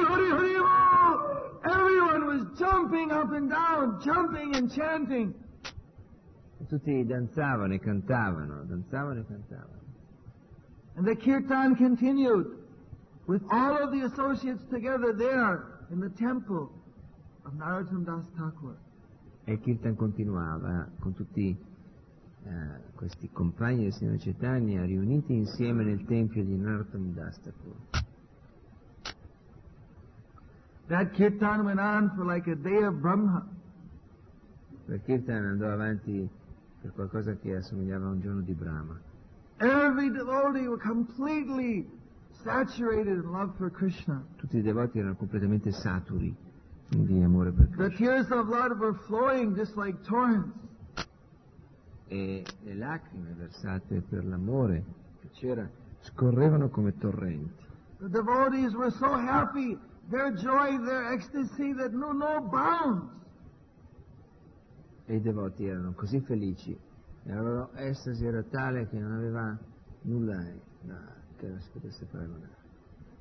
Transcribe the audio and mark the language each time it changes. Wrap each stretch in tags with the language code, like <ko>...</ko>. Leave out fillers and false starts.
<en>Everyone was jumping up and down, jumping and chanting.</en> <it>Tutti danzavano e cantavano, danzavano e cantavano.</it> <en>And the kirtan continued with all of the associates together there in the temple of Narottam Das Thakur.</en> <it>E il kirtan continuava con tutti questi compagni del Signore Chaitanya riuniti insieme nel tempio di Narottam Das Thakur.</it> <en>That kirtan went on for like a day of Brahma.</en> <it>Il kirtan andò avanti per qualcosa che assomigliava a un giorno di Brahma.</it> <en>Every devotee were completely saturated in love for Krishna.</en> <it>Tutti i devoti erano completamente saturi di amore per Krishna.</it> <en>The tears of blood were flowing just like torrents.</en> <it>E le lacrime versate per l'amore che c'era scorrevano come torrenti.</it> <en>The devotees were so happy, their joy, their ecstasy that knew no bounds.</en> <it>E i devoti erano così felici e la loro estasi era tale che non aveva nulla che non si potesse paragonare.</it>